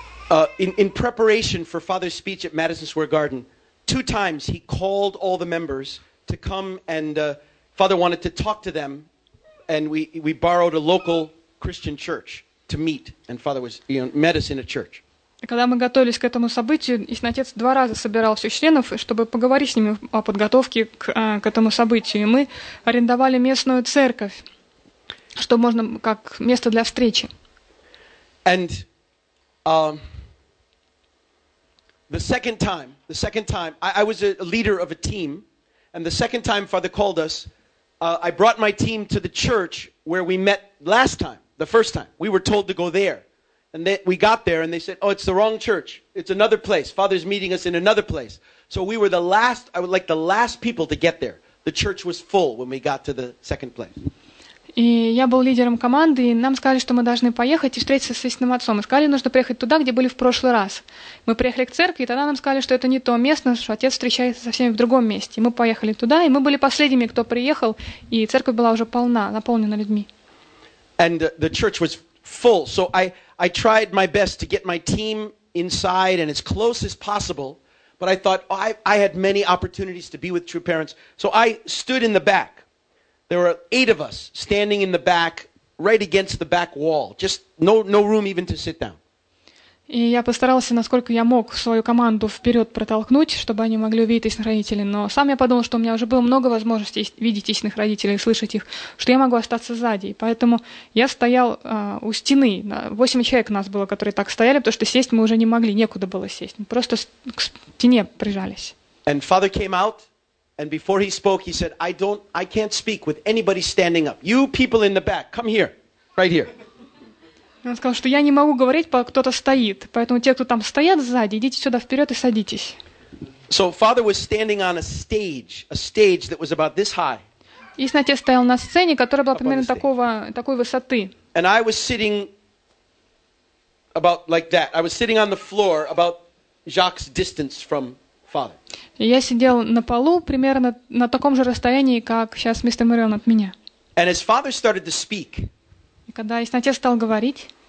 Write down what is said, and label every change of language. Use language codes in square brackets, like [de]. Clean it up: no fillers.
[en] Oh, in preparation for Father's speech at Madison Square Garden, 2 times he called all the members to come and Father wanted to talk to them and we borrowed a local Christian church to meet and Father was, you know, met us in a church. [ru] Когда мы готовились к этому событию, их отец 2 раза собирал всех членов, чтобы поговорить с ними о подготовке к этому событию. Мы арендовали местную церковь, чтобы можно как место для встречи. [en] And The second time, I was a leader of a team, and the second time Father called us, I brought my team to the church where we met last time, the first time. We were told to go there, and we got there, and they said, oh, it's the wrong church. It's another place. Father's meeting us in another place. So we were the last people to get there. The church was full when we got to the second place. [ru] И я был лидером команды, и нам сказали, что мы должны поехать и встретиться с истинным отцом. И сказали, нужно приехать туда, где были в прошлый раз. Мы приехали к церкви, и тогда нам сказали, что это не то место, что отец встречается со всеми в другом месте. И мы поехали туда, и мы были последними, кто приехал, и церковь была уже полна, наполнена людьми. [en] And the church was full, so I tried my best to get my team inside and as close as possible, but I thought, oh, I had many opportunities to be with true parents, so I stood in the back. There were 8 of us standing in the back, right against the back wall. Just no room even to sit down. [ru] И я постарался, насколько я мог, свою команду вперед протолкнуть, чтобы они могли увидеть истинных родителей. Но сам я подумал, что у меня уже было много возможностей видеть истинных родителей и слышать их, что я могу остаться сзади. И поэтому я стоял у стены. 8 человек у нас было, которые так стояли, потому что сесть мы уже не могли, некуда было сесть. Мы просто к стене прижались. [en] And Father came out. And before he spoke, he said, I can't speak with anybody standing up. You people in the back, come here, right here. [ru] Он сказал, что я не могу говорить, пока кто-то стоит. Поэтому те, кто там стоят сзади, идите сюда вперед и садитесь. [en] So Father was standing on a stage that was about this high. [ru] И отец стоял на сцене, которая была примерно такой высоты. [en] And I was sitting about like that. I was sitting on the floor about Jacques' distance from Father. [ru] Я сидел на полу примерно на таком же расстоянии, как сейчас мистер Мэрион от меня. [en] And his father started to speak. [ru] И когда истинный отец стал говорить,